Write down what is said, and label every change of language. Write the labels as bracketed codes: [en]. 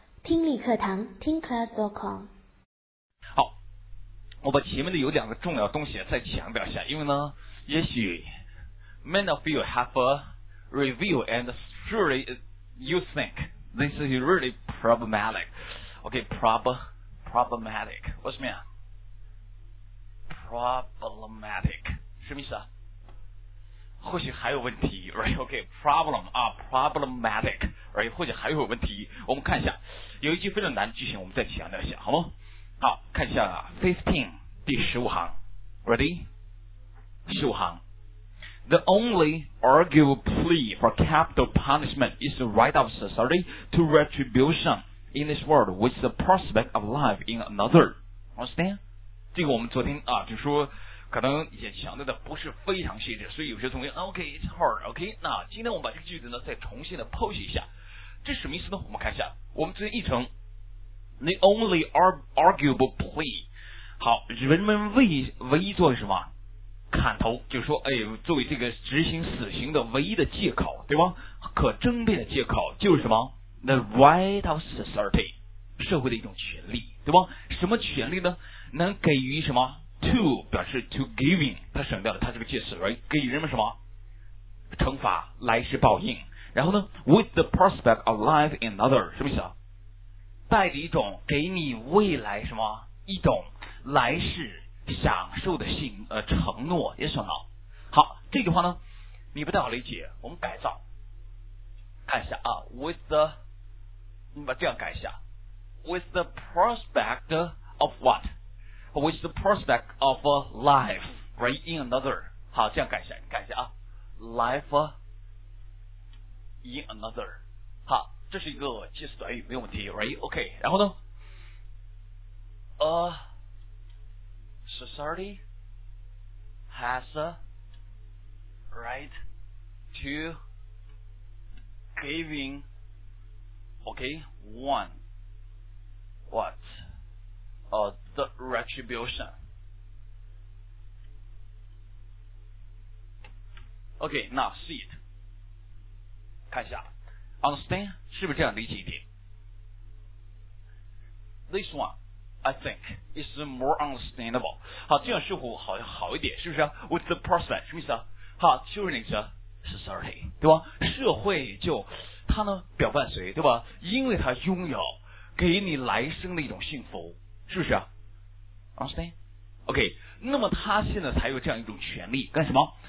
[zh] 听力课堂，听 class.com。好，我把前面的有两个重要东西再强调一下，因为呢，也许 [en] many of you have a review and surely you think this is really problematic. Okay, problematic. What's it mean? Problematic. [zh] 什么意思啊？或许还有问题 ，right? [en] Okay, problem 啊、problematic, right? [zh] 或许还有问题，我们看一下，有一句非常难的句型，我们再强调一下，好吗？好，看一下 15, 第十五行 ， [en] ready? [zh] 十五行 [en] ，The only arguable plea for capital punishment is the right of society to retribution in this world with the prospect of life in another. [zh] Understand? 这个我们昨天啊，就说。可能也强调的不是非常细致，所以有些同学 [en] OK it's hard OK [zh] 那今天我们把这个句子呢再重新的剖析一下，这什么意思呢？我们看一下，我们这一层 [en] the only arguable plea， [zh] 好，人们唯一做什么砍头，就是说哎，作为这个执行死刑的唯一的借口，对吧？可争辩的借口就是什么 [en] the right of society， [zh] 社会的一种权利，对吧？什么权利呢？能给予什么To 表示 to giving， 它省掉了它这个介词，来给予人们什么惩罚，来世报应。然后呢 ， [en] with the prospect of life in another， [zh] 什么意思啊？带着一种给你未来什么一种来世享受的承诺，也算好。好，这句话呢，你不太好理解，我们改造，看一下啊 ，with the， 你把这样改一下 ， [en] with the prospect of what？ With the prospect of a life, right in another. [zh] 好，这样改一下，改一下啊。 [en] Life in another. [zh] 好，这是一个介词短语，没有问题 ，right? [en] OK. [zh] 然后呢 [en] ？A society has a right to giving. OK, one. What? The retribution. Okay, now see it. [zh] 看一下 [en] ，understand [zh] 是不是这样理解一点 [en] ？This one, I think, is more understandable. [zh] 好，这样似乎好像好一点，是不是、啊、？ [en] With the prospect, [zh] 什么意思啊？好，就是那个 society， 对吧？社会就它呢表伴随，对吧？因为它拥有给你来生的一种幸福。是不是啊 ？ [en] Understand? OK， [zh] 那么他现在才有这样一种权利干什么？